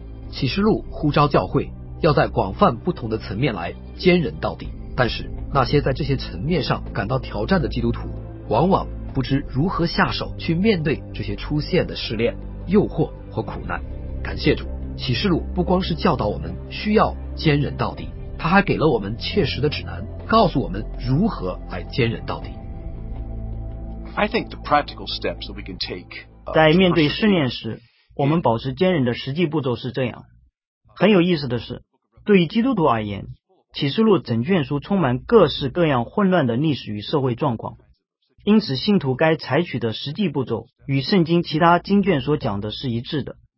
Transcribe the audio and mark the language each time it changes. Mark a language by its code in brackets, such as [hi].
[zh] 启示录呼召教会要在广泛不同的层面来坚韧到底，但是那些在这些层面上感到挑战的基督徒往往不知如何下手去面对这些出现的试炼、诱惑和苦难。感谢主，启示录不光是教导我们需要坚韧到底，他还给了我们切实的指南，告诉我们如何来坚韧到底。 [en] I think the practical steps that we can take, [zh] 在面对试炼时我们保持坚韧的实际步骤是这样。很有意思的是，对于基督徒而言，启示录整卷书充满各式各样混乱的历史与社会状况，因此信徒该采取的实际步骤与圣经其他经卷所讲的是一致的。